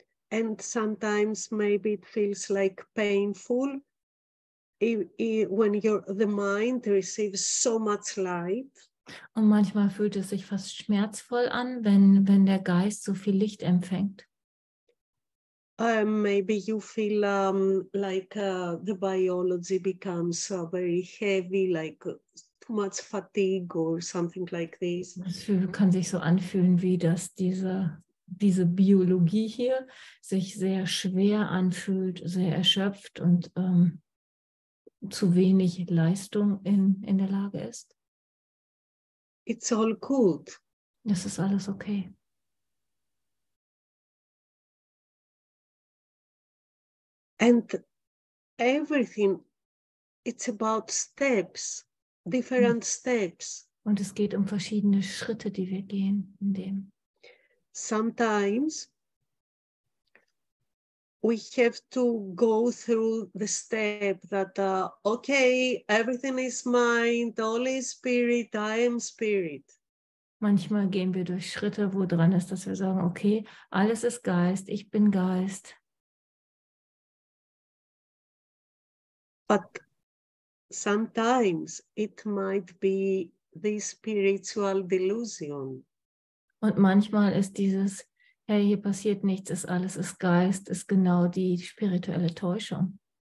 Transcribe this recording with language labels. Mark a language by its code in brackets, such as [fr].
[en] And sometimes maybe it feels like painful when the mind receives so much light. [de] Und manchmal fühlt es sich fast schmerzvoll an, wenn der Geist so viel Licht empfängt. [en] Maybe you feel the biology becomes very heavy, like too much fatigue or something like this. [de] Es kann sich so anfühlen, wie dass diese Biologie hier sich sehr schwer anfühlt, sehr erschöpft und zu wenig Leistung in der Lage ist. [en] It's all good. [de] Das ist alles okay. [en] And everything, it's about steps, different steps. [de] Und es geht um verschiedene Schritte, die wir gehen in dem. [en] Sometimes we have to go through the step that, okay, everything is mind, all is spirit, I am spirit. [de] Manchmal gehen wir durch Schritte, wo dran ist, dass wir sagen, okay, alles ist Geist, ich bin Geist. [en] But sometimes it might be the spiritual delusion. [de] Und manchmal ist dieses, hey, hier passiert nichts, ist alles ist Geist, ist genau die spirituelle Täuschung.